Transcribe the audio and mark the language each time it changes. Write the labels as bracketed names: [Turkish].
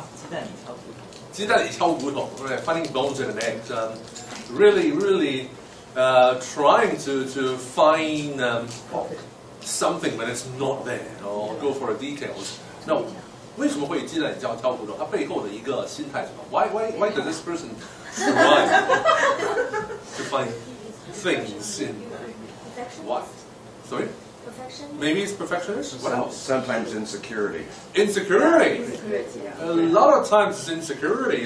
[English] Right, finding bones in an egg. Really, trying to find something when it's not there, or go for the details. [Chinese] No, 为什么会鸡蛋里挑骨头？它 背后的一个心态是什么？ [English] Why does this person try to find things in what? Sorry? Perfection. Maybe it's perfectionist? What else? Sometimes insecurity. Insecurity? Yeah. A lot of times it's insecurity.